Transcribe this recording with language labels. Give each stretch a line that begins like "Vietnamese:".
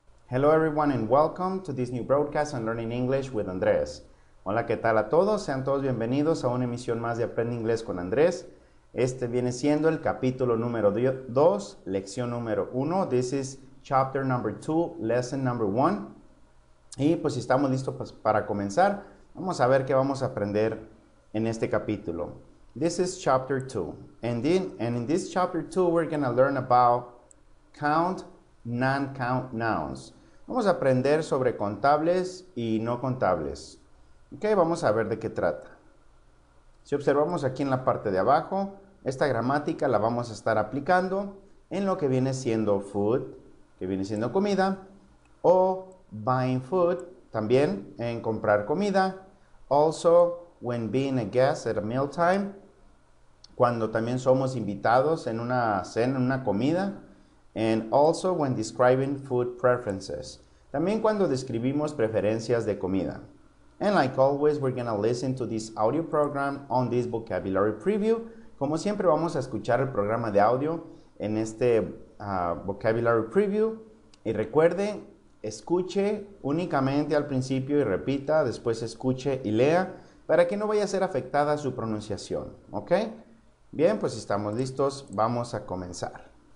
English: Hello everyone and welcome to this new broadcast on Learning English with Andrés.
Spanish: Hola, ¿qué tal a todos? Sean todos bienvenidos a una emisión más de Aprende Inglés con Andrés. Este viene siendo el capítulo número 2, lección número 1.
English: This is chapter number 2, lesson number 1.
Spanish: Y pues si estamos listos para comenzar, vamos a ver qué vamos a aprender en este capítulo.
English: This is chapter 2. And in this chapter 2, we're going to learn about count, non-count nouns.
Spanish: Vamos a aprender sobre contables y no contables. Ok, vamos a ver de qué trata. Si observamos aquí en la parte de abajo, esta gramática la vamos a estar aplicando en lo que viene siendo food, que viene siendo comida, o
English: buying food,
Spanish: también en comprar comida.
English: Also, when being a guest at a mealtime,
Spanish: cuando también somos invitados en una cena, en una comida.
English: And also when describing food preferences.
Spanish: También cuando describimos preferencias de comida.
English: And like always, we're going to listen to this audio program on this vocabulary preview.
Spanish: Como siempre, vamos a escuchar el programa de audio en este
English: vocabulary preview.
Spanish: Y recuerde, escuche únicamente al principio y repita, después escuche y lea, para que no vaya a ser afectada su pronunciación. ¿Ok? Bien, pues si estamos listos, vamos a comenzar.